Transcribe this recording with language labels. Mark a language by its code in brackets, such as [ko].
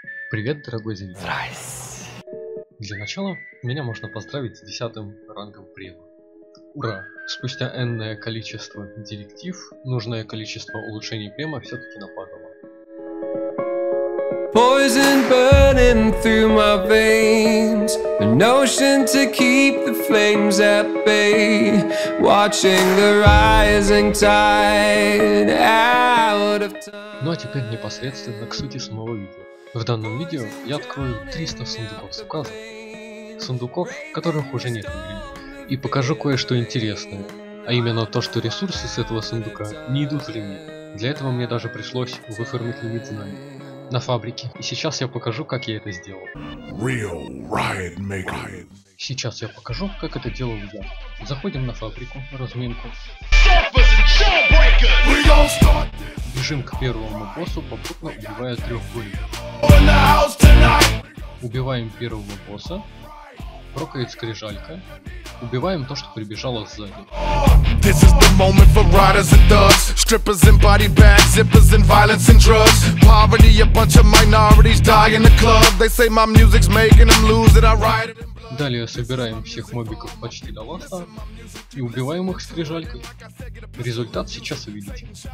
[ru] Привет, дорогой зритель. Здрасте. Для начала меня можно поздравить с 10-м рангом према. Ура! Спустя энное количество директив, нужное количество улучшений према все-таки нападало. [en] Poison burning through my veins, a notion to keep the flames at bay, watching the rising tide out of time. [ru] Ну а теперь непосредственно к сути самого видео. В данном видео я открою 300 сундуков с указом, сундуков, которых уже нет в игре, и покажу кое-что интересное, а именно то, что ресурсы с этого сундука не идут в лимит. Для этого мне даже пришлось выформить лимит знаний на фабрике, и сейчас я покажу, как я это сделал. [en] Real Riot Maker. [ru] Сейчас я покажу, как это делал я. Заходим на фабрику, разминку. Бежим к первому боссу, попутно убивая трех гоблинов. Убиваем первого босса. Прокает скрижалька. Убиваем то, что прибежало сзади. [en] This is the moment for riders and thugs. Strippers and body bags, zippers and violence and drugs. Poverty, a bunch of minorities die in the club. They say my music's making them lose it. I ride it. [ru] Далее собираем всех мобиков почти до лоста и убиваем их скрижалькой. Результат сейчас увидите.